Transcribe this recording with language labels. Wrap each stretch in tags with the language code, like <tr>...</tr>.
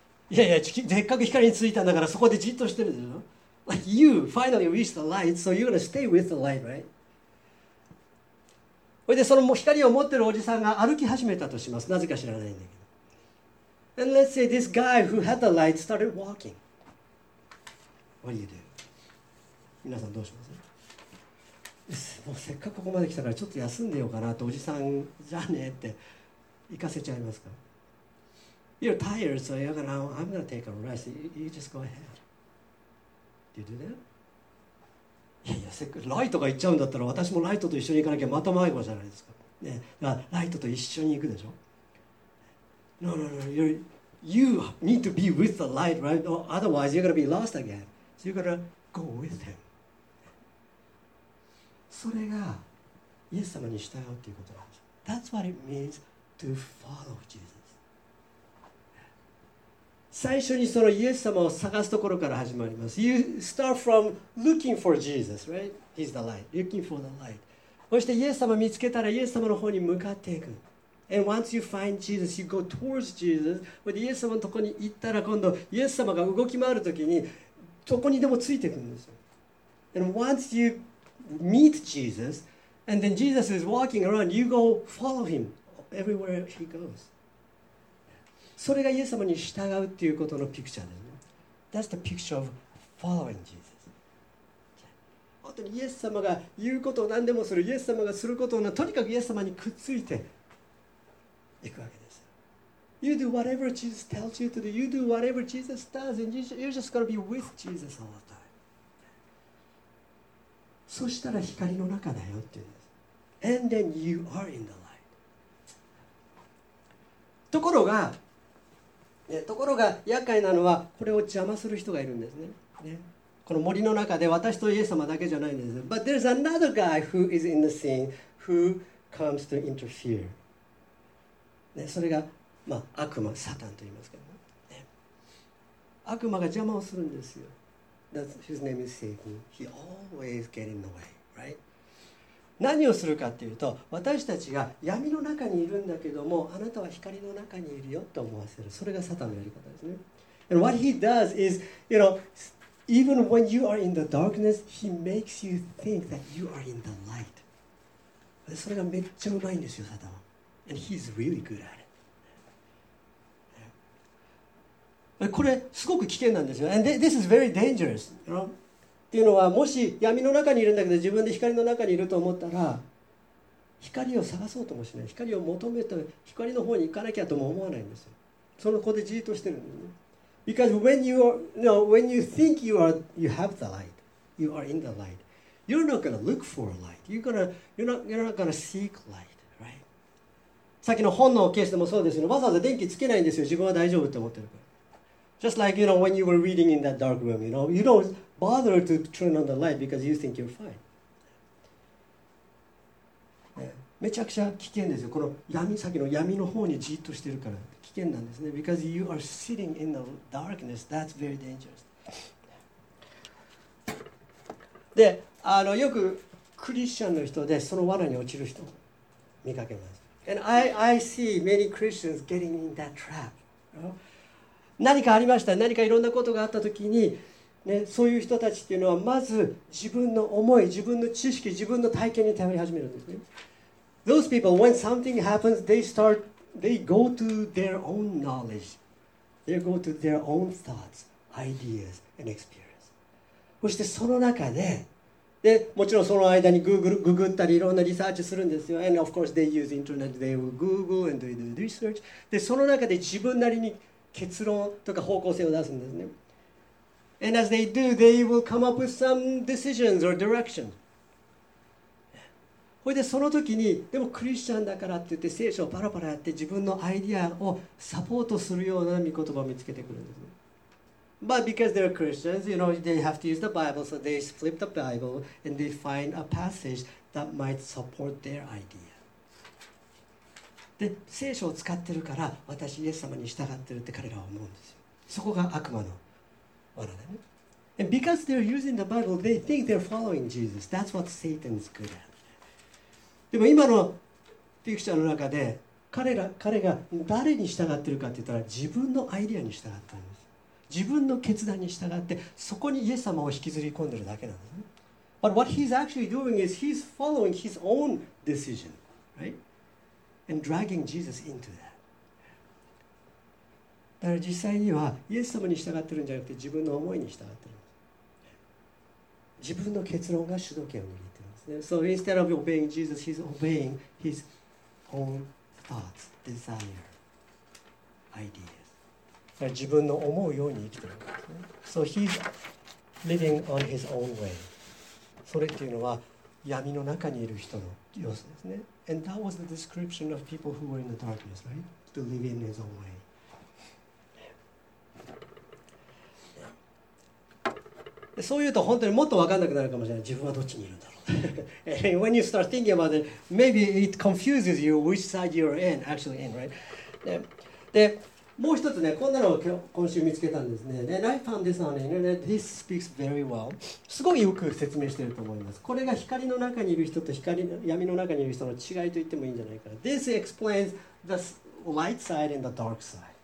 <ja>いやいや、せっかく光についたんだからそこでじっとしてるでしょ?</ja> <en>Like you finally reached the light, so you're gonna stay with the light, right?</en> <ja>で、その光を持ってるおじさんが歩き始めたとします。なぜか知らないんだけど。</ja> <en>And let's say this guy who had the light started walking. What do you do?</en> <ja>皆さんどうします? もうせっかくここまで来たからちょっと休んでようかなとおじさんじゃねえって行かせちゃいますか</ja> <en>You're tired, so you're gonna, I'm gonna take a rest. You just go ahead. Did you do that?</en> <ja>いやいや、せっかくライトが行っちゃうんだったら私もライトと一緒に行かなきゃまた迷子じゃないですか。ね、だからライトと一緒に行くでしょ</ja> <en>No, no, no. You need to be with the light, right? Otherwise, you're gonna be lost again. So you gotta go with him.</en> <ja>それがイエス様に従うということなんです。</ja> <en>That's what it means to follow Jesus.</en> <ja>最初にそのイエス様を探すところから始まります。</ja> <en>You start from looking for Jesus, right? He's the light. Looking for the light.</en> <ja>そしてイエス様を見つけたらイエス様の方に向かっていく。</ja> <en>And once you find Jesus, you go towards Jesus.</en> <ja>イエス様のところに行ったら今度イエス様が動き回るときにどこにでもついていくんですよ。</ja> <en>And once youmeet Jesus and then Jesus is walking around you go follow him everywhere he goes</en> <ja>それがイエス様に従うということのピクチャーですね</ja> <en>That's the picture of following Jesus</en> <ja>本当にイエス様が言うことを何でもするイエス様がすることをとにかくイエス様にくっついていくわけです</ja> <en>You do whatever Jesus tells you to do You do whatever Jesus does and you're just going to be with Jesus all the time</en> <ja>そしたら光の中だよって言うんです。</ja> <en>And then you are in the light.</en> <ja>ところが、ね、ところが厄介なのはこれを邪魔する人がいるんですね。ね、この森の中で私とイエス様だけじゃないんです。</ja> <en>But there's another guy who is in the scene who comes to interfere.</en> <ja>ね、それが、まあ、悪魔、サタンと言いますけど、ね、悪魔が邪魔をするんですよ。</ja> <en>That's his name is Satan. He always get in the way, right?</en> <ja>何をするかっていうと、私たちが闇の中にいるんだけども、あなたは光の中にいるよと思わせる。それがサタンのやり方ですね。</ja> <en>And what he does is, you know, even when you are in the darkness, he makes you think that you are in the light.</en> <ja>それがめっちゃうまいんですよ、サタンは。</ja> <en>And he's really good at it.</en> <ja>これすごく危険なんですよ。</ja> <en>And this is very dangerous. You know?</en> <ja>っていうのは、もし闇の中にいるんだけど自分で光の中にいると思ったら、光を探そうともしない、光を求めて光の方に行かなきゃとも思わないんですよ。その子でじっとしてるんですね。</ja> <en>Because when you are, you know, when you think you are, you have the light, you are in the light, you're not going to look for light. You're not going to seek light, right?</en> <ja>さっきの本のケースでもそうですよね。わざわざ電気つけないんですよ。自分は大丈夫って思ってるから。</ja> <en>Just like, you know, when you were reading in that dark room, you know, you don't bother to turn on the light because you think you're fine.、</en> <ja>めちゃくちゃ危険ですよ。この闇、さっきの闇の方にじっとしてるから。危険なんですね。</ja> <en>Because you are sitting in the darkness, that's very dangerous.</en> <ja>で、よくクリスチャンの人でその罠に落ちる人見かけます。</ja> <en>And I see many Christians getting in that trap.</en> <ja>何かありました。何かいろんなことがあったときに、ね、そういう人たちっていうのはまず自分の思い、自分の知識、自分の体験に頼り始めるんですね。</ja> <en>Those people, when something happens, they go to their own knowledge. They go to their own thoughts, ideas, and experience.</en> <ja>そしてその中で、でもちろんその間に Google ったりいろんなリサーチするんですよ。</ja> <en>And of course they use internet, they will Google and do research.</en> <ja>で、その中で自分なりに結論とか方向性を出すんですね。</ja> <en>And as they do, they will come up with some decisions or directions.</en> <ja>それでその時に、でもクリスチャンだからって言って聖書をパラパラやって自分のアイディアをサポートするような御言葉を見つけてくるんですね。</ja> <en>But because they're Christians, you know, they have to use the Bible, so they flip the Bible and they find a passage that might support their idea.</en> <ja>で、聖書を使ってるから私イエス様に従ってるって彼らは思うんですよ。そこが悪魔の罠だね。</ja> <en>And because they're using the Bible, they think they're following Jesus. That's what Satan's good at.</en> <ja>でも今のピクチャーの中で彼が誰に従ってるかって言ったら自分のアイデアに従ったんです。自分の決断に従ってそこにイエス様を引きずり込んでるだけなんですね。</ja> <en>But what he's actually doing is he's following his own decision, right? And dragging Jesus into that.</en> <ja>だから実際にはイエス様に従ってるんじゃなくて自分の思いに従ってるんです。自分の結論が主導権を握る。</ja> <en>So instead of obeying Jesus, he's obeying his own thoughts, desire, ideas.</en> <ja>自分の思うように生きてるんですね。</ja> <en>So he's living on his own way.</en> <ja>それっていうのは闇の中にいる人の様子ですね。</ja> <en>And that was the description of people who were in the darkness, right? To live in his own way.</en> <ja>そう言うと本当にもっと分かんなくなるかもしれない。自分はどっちにいるんだろう。</ja> <en>And when you start thinking about it, maybe it confuses you which side you're in, actually in, right?</en> <ja>で、もう一つね、こんなのを今週見つけたんですね。</ja> <en>And I found this on the internet. This speaks very well.</en> <ja>すごいよく説明していると思います。これが光の中にいる人と闇の中にいる人の違いと言ってもいいんじゃないかな。</ja> <en>This explains the light side and the dark side.</en>